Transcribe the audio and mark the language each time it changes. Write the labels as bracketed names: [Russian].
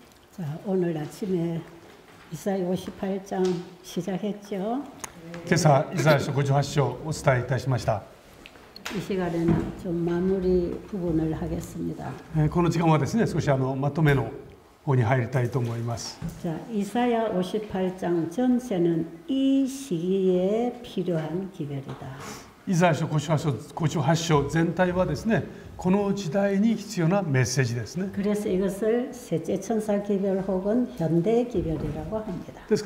[Korean] 자, 오늘 아침에 이사야 58장 시작했죠. [Japanese] 今朝 이사야 58장 お伝えいたしました。 [Korean] 이 시간에는 좀 마무리 부분을 하겠습니다. [Japanese] この時間はですね、少しまとめの方に入りたいと思います。 [Korean] 자, 이사야 58장 전체는 이 시기에 필요한 기별이다. 이사야 58장 전체 [Japanese] はですね、 この時代に必要なメッセージですね。 [Korean] 그래서 이것을 셋째 천사 기별 혹은 현대 기별이라고 합니다.